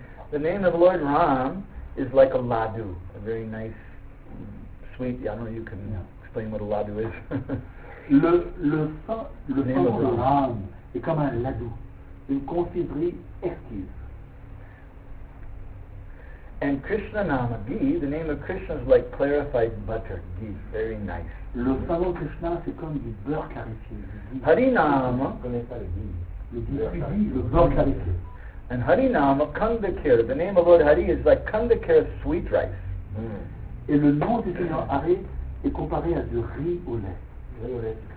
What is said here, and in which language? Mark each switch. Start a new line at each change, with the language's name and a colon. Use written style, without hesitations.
English: The name of Lord Ram is like a ladu, a very nice, sweet, I don't know, you can explain what a ladu is.
French: le nom de Ram est comme un ladu, une confiserie exquise.
English: And Krishna nama ghee, the name of Krishna is like clarified butter, ghee, very nice. Le savon Krishna, c'est comme du beurre clarifié. Hari nama,
French: le beurre clarifié.
English: And Hari nama, kandakir, the name of Lord Hari is like kandakir, sweet rice.
French: Et le nom du Seigneur Hari est comparé à du riz au lait.